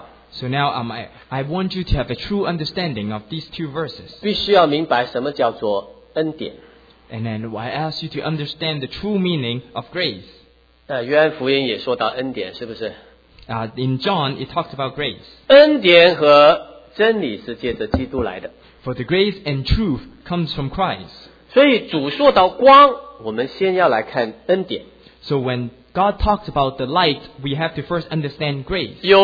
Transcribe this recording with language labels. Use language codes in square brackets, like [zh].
[en] So now I want you to have a true understanding of these two verses. [zh] 必须要明白什么叫做恩典。 [en] And then I ask you to understand the true meaning of grace. [zh] 约翰福音也说到恩典，是不是？ [en] In John, it talks about grace. [zh] 恩典和真理是借着基督来的。 [en] For the grace and truth comes from Christ. [zh] 所以主说到光，我们先要来看恩典。 [en] So when God talks about the light, we have to first understand grace.